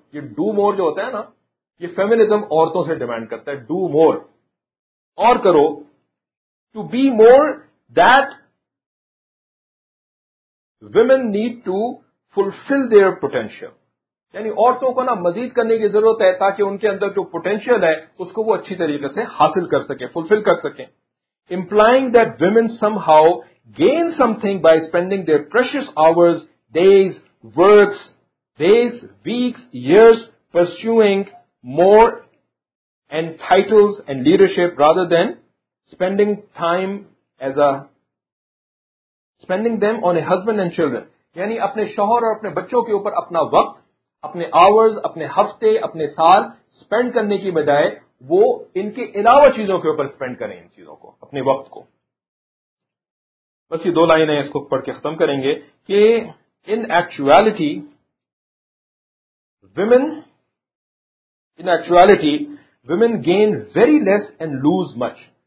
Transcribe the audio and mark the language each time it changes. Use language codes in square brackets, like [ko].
[ur] یہ do more جو ہوتا ہے نا, یہ فیمنزم عورتوں سے ڈیمانڈ کرتا ہے, ڈو مور, اور کرو, [en] To be more. That women need to fulfill their potential. [ur] یعنی عورتوں کو نا مزید کرنے کی ضرورت ہے تاکہ ان کے اندر جو پوٹینشیل ہے اس کو وہ اچھی طریقے سے حاصل کر سکیں, فلفل کر سکیں. [en] Implying that women somehow gain something by spending their precious hours, days, works, days, weeks, years pursuing more and titles and leadership rather than spending time as a spending them on a husband and children. [ur] یعنی اپنے شوہر اور اپنے بچوں کے اوپر اپنا وقت, اپنے آورز, اپنے ہفتے, اپنے سال spend کرنے کی بجائے وہ ان کے علاوہ چیزوں کے اوپر سپینڈ کریں ان چیزوں کو، اپنے وقت کو. بس یہ دو لائنیں اس کو پڑھ کے ختم کریں گے کہ [en] In actuality women, in actuality women gain very less and lose much.